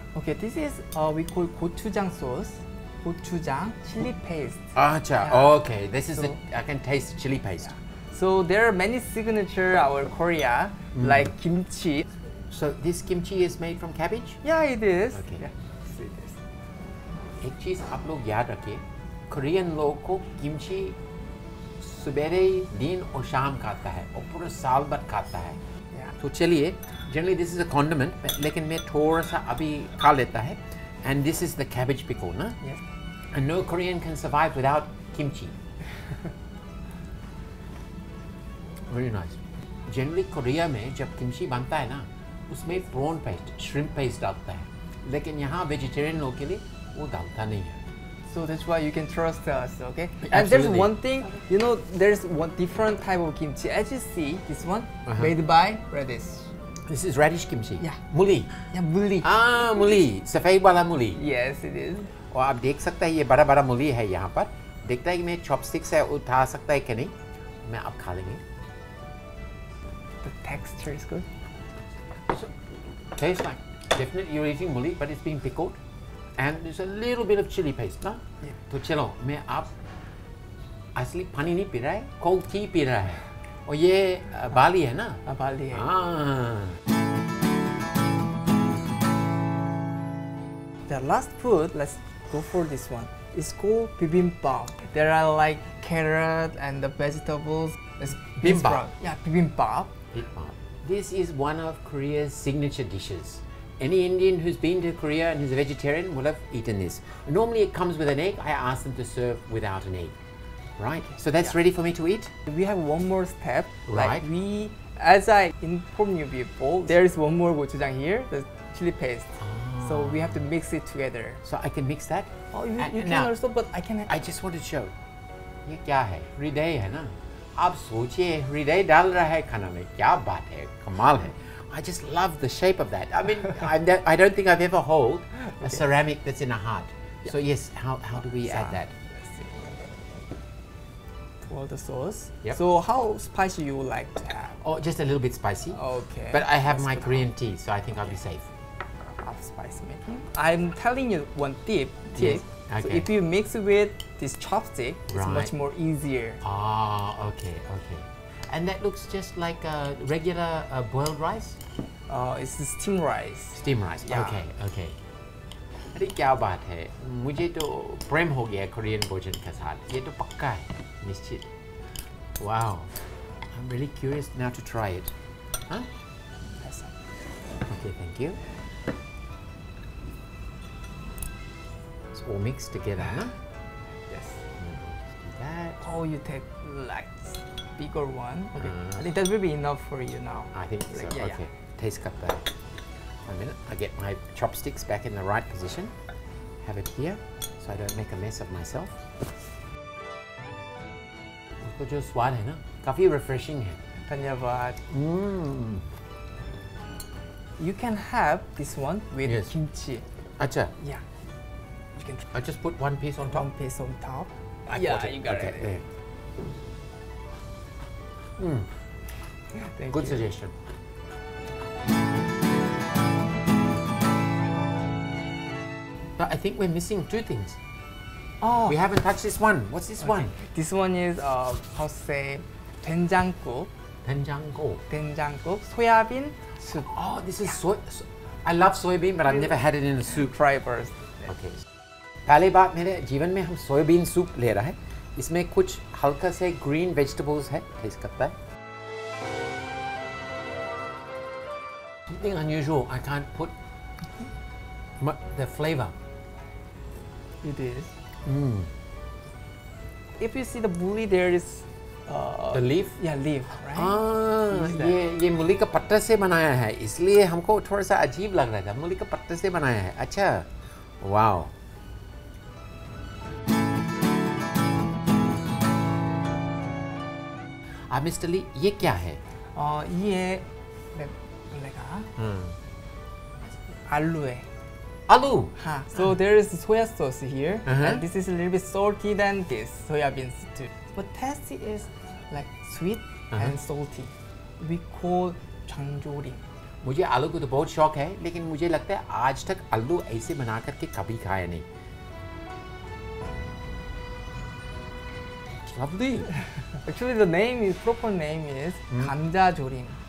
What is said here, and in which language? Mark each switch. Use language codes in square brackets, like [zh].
[en] Okay, this is we call gochujang sauce. Gochujang, chili paste. Acha, yeah. Okay, this is I can taste chili paste. Yeah. So there are many signature our Korea, like kimchi. So this kimchi is made from cabbage? Yeah, it is. Okay. Yeah. [hi] एक चीज आप लोग याद रखिए, Korean लोग को kimchi सुबह दिन और शाम खाता है और पूरे साल भर खाता है तो चलिए [en] generally this is a condiment [hi] लेकिन मैं थोड़ा सा अभी खा लेता है [en] and this is the cabbage pickle [hi] ना [en] yeah. and no Korean can survive without kimchi very nice generally [hi] Korea में जब kimchi बनता है ना उसमें prawn paste, shrimp paste डालता है लेकिन यहाँ vegetarian लोग के लिए वो डालता नहीं है [en] So that's why you can trust us, okay? Absolutely. And there's one thing, you know, there's one different type of kimchi. As you see, this one, made by radish. This is radish kimchi? Yeah. Muli? Yeah, muli. [hi] Ah, muli. Safed wala muli. [en] Yes, it is. [hi] और आप देख सकते हैं ये बड़ा बड़ा muli है यहाँ पर. देखता है कि मैं chopsticks है उठा सकता है कि नहीं. मैं अब खा लेंगे. [en] The texture is good. Tastes like definitely you're eating muli, but it's being pickled, and there's a little bit of chili paste, na? Yeah. [hi] तो चलो मैं आप असली पानी नहीं पी रहा है, [en] cold tea [hi] पी रहा है, और ये Bali है ना? हाँ Bali है. [en] The last food, let's go for this one. It's called Bibimbap. There are like carrot and the vegetables. It's Bibimbap. Yeah, Bibimbap. This is one of Korea's signature dishes. Any Indian who's been to Korea and is a vegetarian will have eaten this. Normally it comes with an egg. I ask them to serve without an egg. Right? So that's ready for me to eat? We have one more step. Right. Like as I informed you before, there is one more gochujang here, the chili paste. Ah. So we have to mix it together. So I can mix that? Oh, you can now, also, but I can... I just want to show. [hi] Ye kya hai? Hriday hai na? आप सोचिए हृदय डाल रहा है खाना में क्या बात है कमाल है [en] I just love the shape of that. I mean, I don't think I've ever held a ceramic that's in a heart. Yeah. So yes, how do we add that? Well, the sauce. Yep. So how spicy you like to have? Oh, just a little bit spicy. Okay. But I have my Korean tea, so I think I'll be safe. Of spicy making. I'm telling you one tip. Okay. So if you mix it with this chopstick, it's much more easier. Ah, okay, okay. And that looks just like a regular boiled rice? It's the steam rice. Steam rice, yeah. Okay, okay. [hi] अरे क्या बात है मुझे तो प्रेम हो गया Korean भोजन के साथ ये तो पक्का है निश्चित [en] Wow I am really curious now to try it okay thank you it's all mix together ना yes that oh you take like bigger one okay it will be enough for you now I think like, so yeah, okay yeah. Taste cup though One minute, I get my chopsticks back in the right position. Have it here, so I don't make a mess of myself. [hi] इसको जो स्वाद है ना, काफी refreshing है. धन्यवाद. Mmm. [en] You can have this one with kimchi. [hi] अच्छा. [en] Yeah. You can. I just put one piece on top. One piece on top. I got it. Okay. Mmm. Thank you. Good suggestion. But I think we're missing two things. Oh, we haven't touched this one. What's this one? This one is how to say, 된장국. [ko] 된장국. 된장국. 소야빈 soup. [en] Oh, this is soy. I love soybean, but I've never had it in a soup. Try first. Okay. [hi] पहले बात मेरे जीवन में हम soybean soup ले रहे हैं. इसमें कुछ हल्का से [en] green vegetables [hi] है. Taste करता है. [en] Something unusual. I can't put. The flavor. It is. Mm. If you see the bully, there is. The leaf. Yeah, leaf. Right. [hi] ये मूली का पत्ता से बनाया है इसलिए हमको थोड़ा सा अजीब लग रहा था मूली का पत्ता से बनाया है अच्छा. [en] Wow. Mr. [hi] Lee, ये क्या है? ये लगा. हम्म. आलू है. Aloo. [en] So there is soya sauce here, uh-huh. And this is a little bit salty than this soya beans too. But taste is like sweet uh-huh. and salty. We call changjorim. [hi] मुझे आलू को तो बहुत शौक है, लेकिन मुझे लगता है आज तक आलू ऐसे बना करके कभी खाया नहीं. [en] Lovely. Actually, the name is proper name is gamjajorim.